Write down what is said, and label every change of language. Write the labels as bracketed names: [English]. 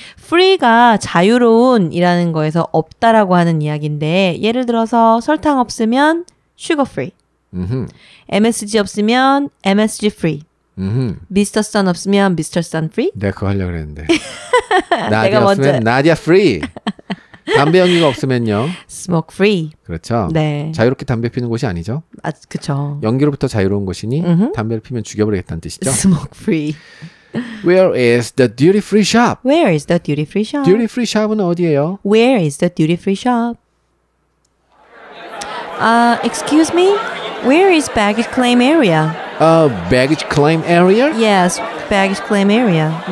[Korean] free가 자유로운이라는 거에서 없다라고 하는 이야기인데 예를 들어서 설탕 없으면 sugar free. MSG 없으면 MSG free. Mr. Sun 없으면 Mr. Sun free. 내가 그거 하려고 그랬는데. 나디아 없으면 나디아 free. 담배 연기가 없으면요. [English] smoke free. [Korean] 그렇죠. 네. 자유롭게 담배 피는 곳이 아니죠. 아, 그렇죠. 연기로부터 자유로운 곳이니 담배를 피면 죽여버리겠다는 뜻이죠. [English] smoke free. Where is the duty free shop? Where is the duty free shop? [Korean] Duty free shop은 어디예요? [English] Where is the duty free shop? Excuse me. Where is baggage claim area? Baggage claim area? Yes, baggage claim area.